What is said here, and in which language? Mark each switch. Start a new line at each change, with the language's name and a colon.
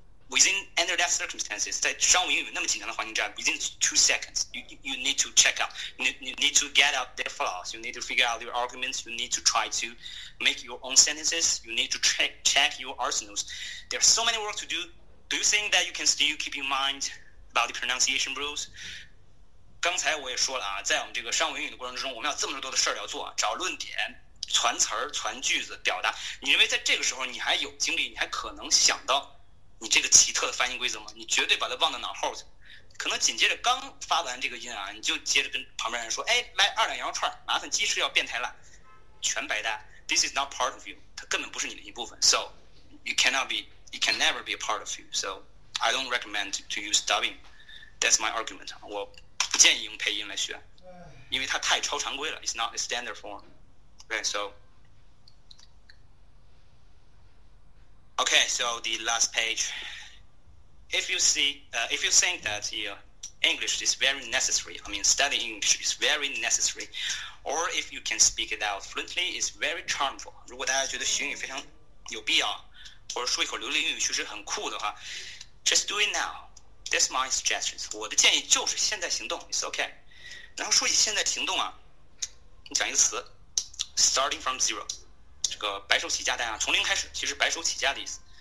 English: within under that circumstances，
Chinese: 在商务英语那么紧张的环境之下，
English: within 2 seconds you need to check out，you need to get out the flaws，you need to figure out your arguments，you need to try to make your own sentences，you need to check your arsenals。 There are so many work to do。 Do you think that you can still keep in mind about the pronunciation rules？
Chinese: 刚才我也说了啊，在我们这个商务英语的过程之中，我们要这么多的事儿要做，找论点、传词儿、传句子、表达。你认为在这个时候你还有精力，你还可能想到你这个奇特的发音规则吗？你绝对把它忘在脑后去。可能紧接着刚发完这个音啊，你就接着跟旁边人说：“哎，来二两羊肉串，麻烦鸡翅要变态辣。” 全白搭。
English: This is not part of you，
Chinese: 它根本不是你的一部分。
English: So you cannot be。 It can never be a part of you, so I don't recommend to use dubbing. That's my argument.
Chinese: 我不建议用配音来学，因为它太超常规了。
English: It's not a standard form. Right, so. Okay, so the last page. If you think that your English is very necessary, I mean studying English is very necessary, or if you can speak it out fluently, it's very charmful.
Chinese: 如果大家觉得学英语非常有必要。或者说一口流利英语确实很酷的话 ，
English: just do it now. That's my suggestions.
Chinese: 我的建议就是现在行动 ，it's okay. 然后说起现在行动啊，你讲一个词 ，
English: starting from zero，
Chinese: 这个白手起家的啊，从零开始，其实白手起家的意思。